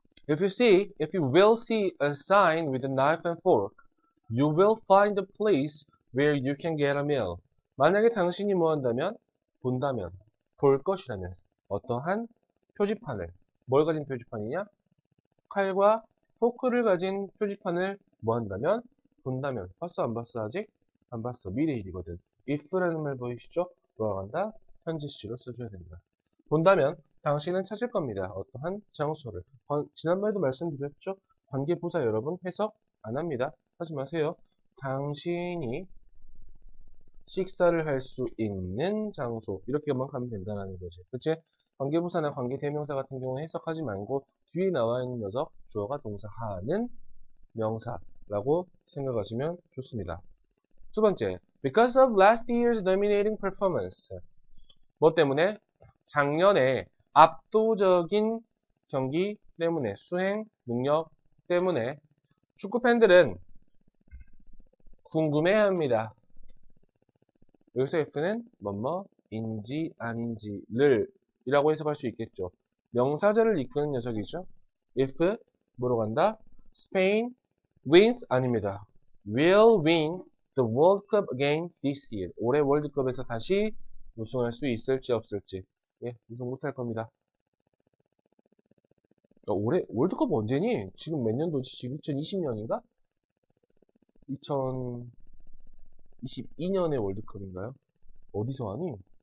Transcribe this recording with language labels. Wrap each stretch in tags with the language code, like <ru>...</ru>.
<en>If you see, if you will see a sign with a knife and fork, you will find a place where you can get a meal.</en> <ko>만약에 당신이 뭐 한다면? 본다면, 볼 것이라면, 어떠한 표지판을, 뭘 가진 표지판이냐? 칼과 포크를 가진 표지판을 뭐 한다면? 본다면, 봤어, 안 봤어, 아직? 안 봤어, 미래일이거든. if라는 말 보이시죠? 돌아간다, 현재 시제로 써줘야 된다. 본다면, 당신은 찾을 겁니다. 어떠한 장소를. 지난번에도 말씀드렸죠? 관계부사 여러분, 해석 안 합니다. 하지 마세요. 당신이 식사를 할수 있는 장소. 이렇게만 가면 된다는 거지. 그치? 관계부사나 관계대명사 같은 경우 해석하지 말고 뒤에 나와 있는 녀석 주어가 동사 하는 명사라고 생각하시면 좋습니다. 두 번째,</ko> <en>because of last year's dominating performance.</en> <ko>뭐 때문에? 작년에 압도적인 경기 때문에, 수행 능력 때문에 축구 팬들은 궁금해합니다. 여기서 F는 뭐뭐인지 아닌지를 이라고 해석할 수 있겠죠. 명사절을 이끄는 녀석이죠. If 뭐로 간다?</ko> <en>Spain wins</en> <ko>아닙니다.</ko> <en>Will win the World Cup again this year.</en> <ko>올해 월드컵에서 다시 우승할 수 있을지 없을지. 예, 우승 못할 겁니다. 올해 월드컵 언제니? 지금 몇 년도지? 지금 2020년인가? 2022년에 월드컵인가요? 어디서 하니?</ko>